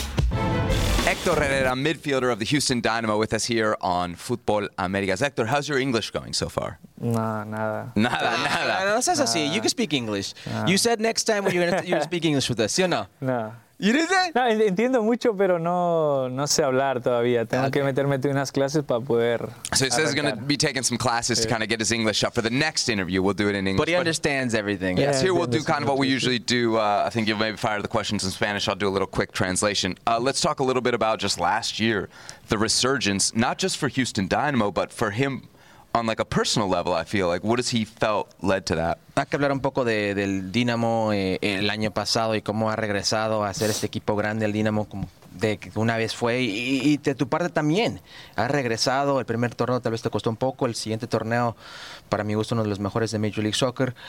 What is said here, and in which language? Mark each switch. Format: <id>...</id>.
<en>Hector Herrera, midfielder of the Houston Dynamo, with us here on Futbol Americas. Hector, how's your English going so far?</en> <es>Nada.</es> <en>No, you can speak English. You said next time when you're going to speak English with us,</en> <es>¿sí o no?</es> <en>No. You did that?</en> <es>No, entiendo mucho, pero no sé hablar todavía. Tengo que meterme en unas clases para poder.</es> <en>So he says he's going to be taking some classes to kind of get his English up for the next interview. We'll do it in English. But he understands everything. Yes, here we'll do kind of what we usually do. I think you'll maybe fire the questions in Spanish. I'll do a little quick translation. Let's talk a little bit about just last year, the resurgence, not just for Houston Dynamo, but for him on like a personal level, I feel like. What has he felt led to that?</en> <es>Hay que hablar un poco del Dinamo el año pasado y cómo ha regresado a ser este equipo grande, el Dinamo, como de una vez fue. Y de tu parte también, ha regresado. El primer torneo tal vez te costó un poco. El siguiente torneo, para mi gusto, uno de los mejores de Major League Soccer.</es>